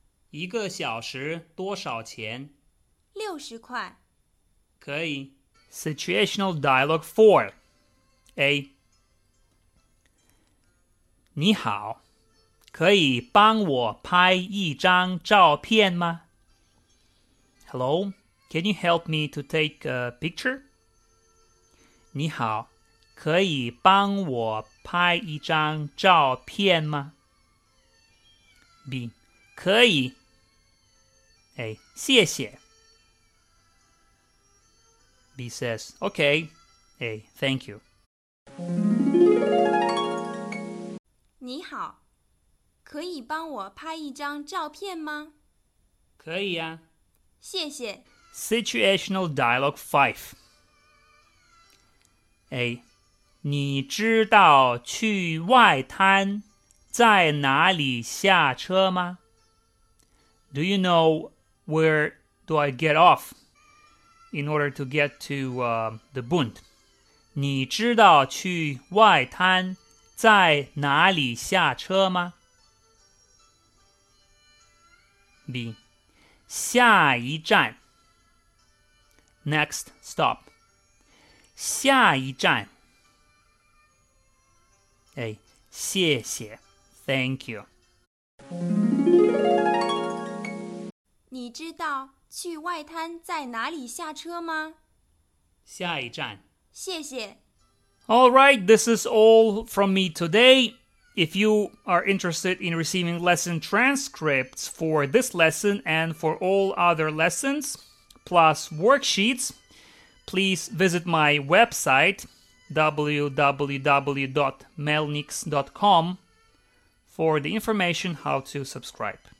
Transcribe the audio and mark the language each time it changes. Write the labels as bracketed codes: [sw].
[zh] 一个小时多少钱？ 60块。可以。 [en] Situational Dialogue 4 A. [zh] 你好，可以帮我拍一张照片吗？ [en] Hello, can you help me to take a picture? [zh] 你好，可以帮我拍一张照片吗？ B. 可以。 A. 谢谢。 [en] B says, okay. A. Thank you. [zh] 你好，可以帮我拍一张照片吗？可以啊。谢谢。 [en] Situational Dialogue 5 A. [zh] 你知道去外滩在哪里下车吗？ [en] Do you know where do I get off in order to get to the Bund? [zh] 你知道去外滩在哪里下车吗？ B. 下一站。 [en] Next stop. [zh] 下一站。 A. 谢谢。 [en] Thank you. [zh] 你知道去外滩在哪里下车吗？下一站。谢谢。 [en] All right, this is all from me today. If you are interested in receiving lesson transcripts for this lesson and for all other lessons, plus worksheets, please visit my website www.melniks.com for the information how to subscribe.